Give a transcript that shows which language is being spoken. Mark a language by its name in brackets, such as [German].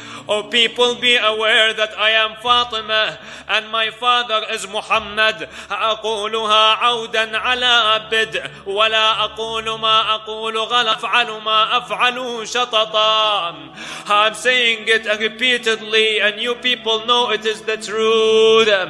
[English] Oh people, be aware that I am Fatima and my father is Muhammad. [Arabic] أقولها عودا على بدء ولا أقول ما أقول غلط أفعل ما أفعل شططا. [English] I'm saying it repeatedly and you people know it is the truth.